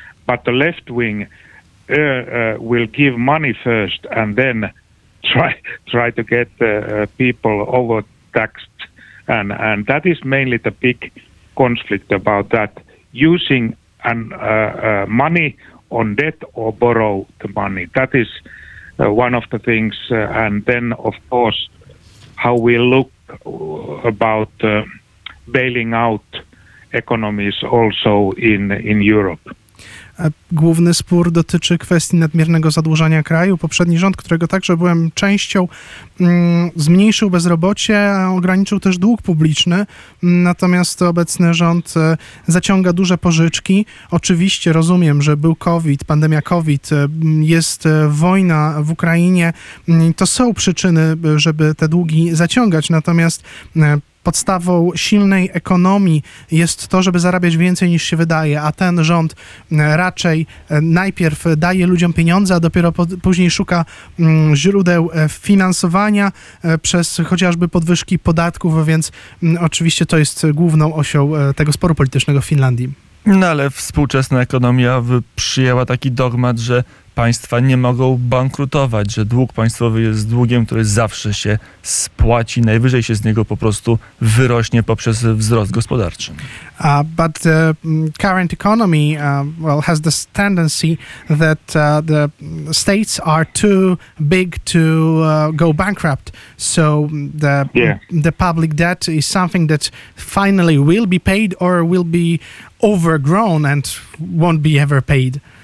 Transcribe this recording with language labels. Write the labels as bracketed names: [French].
[English] But the left wing will give money first and then try to get people overtaxed, and that is mainly the big conflict about that, using money on debt or borrow the money. That is one of the things, and then of course how we look about bailing out economies also in Europe. [Polish] Główny spór dotyczy kwestii nadmiernego zadłużania kraju. Poprzedni rząd, którego także byłem częścią, zmniejszył bezrobocie, a ograniczył też dług publiczny. Natomiast obecny rząd zaciąga duże pożyczki. Oczywiście rozumiem, że był COVID, pandemia COVID, jest wojna w Ukrainie. To są przyczyny, żeby te długi zaciągać. Natomiast podstawą silnej ekonomii jest to, żeby zarabiać więcej niż się wydaje, a ten rząd raczej najpierw daje ludziom pieniądze, a dopiero później szuka źródeł finansowania przez chociażby podwyżki podatków, więc oczywiście to jest główną osią tego sporu politycznego w Finlandii. No ale współczesna ekonomia przyjęła taki dogmat, że państwa nie mogą bankrutować, że dług państwowy jest długiem, który zawsze się spłaci, najwyżej się z niego po prostu wyrośnie poprzez wzrost gospodarczy. [English] But the current economy well has this tendency that the states are too big to go bankrupt. So the public debt is something that finally will be paid or will be overgrown and won't be ever paid.